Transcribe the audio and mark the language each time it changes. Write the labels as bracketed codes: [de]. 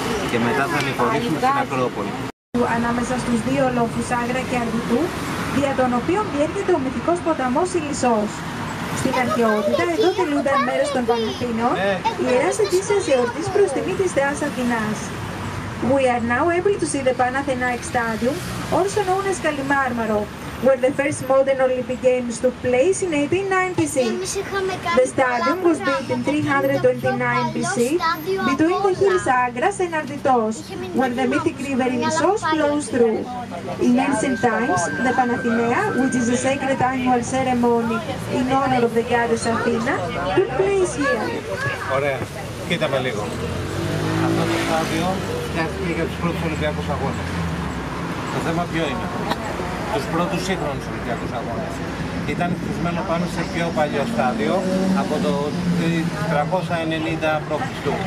[el] Και μετά θα ανηφορήσουμε στην Ακρόπολη. Ανάμεσα στους δύο λόφους Άγρα και Αργυρού, δια των οποίων διέρχεται ο μυθικός ποταμός Ηλισσός. Στην αρχαιότητα, εδώ τελούνταν μέρος των Παναθηναίων, ιεράς αιτήσεις εορτής προς τιμή της θεάς Αθηνάς. [en] We are now able to see the Panathenaic Stadium, also known as Kalimarmaro, where the first modern Olympic Games took place in 1896. The stadium was built in 329 BC between the hills Agras and Arditos, where the mythic river Ilissos flows through. In ancient times, the Panathenaea, which is a sacred annual ceremony in honor of the goddess Athena, took place here. [el] Ωραία. Κοίτα με λίγο. Αυτό το στάδιο φτιάχτηκε για τους πρώτους Ολυμπιακούς Αγώνες. Το θέμα ποιο είναι. Τους πρώτους σύγχρονους Ολυμπιακούς Αγώνες. Ήταν χτισμένο πάνω σε πιο παλιό στάδιο, από το 390 π.Χ.